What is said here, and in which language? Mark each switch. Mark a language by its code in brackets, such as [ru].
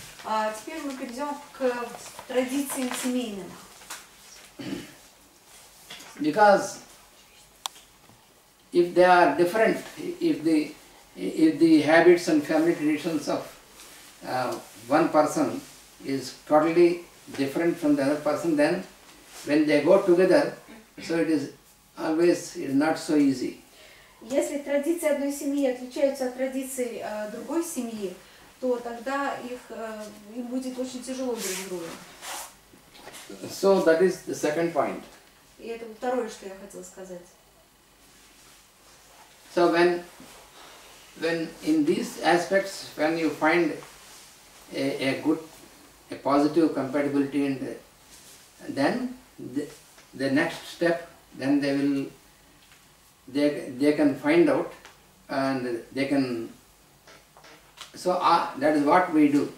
[ru] А теперь мы перейдем к традициям семейным. [en] Because if they are different, if the habits and family traditions of one person is totally different from the other person, then when they go together, so it is always it is not so easy. [ru] Если традиции одной семьи отличаются от традиций другой семьи, то тогда им будет очень тяжело друг с другом. [en] So that is the second point. [ru] И это второе, что я хотела сказать. [en] So when in these aspects, when you find a good positive compatibility, and then the next step, then they can find out, and they can, so that is what we do.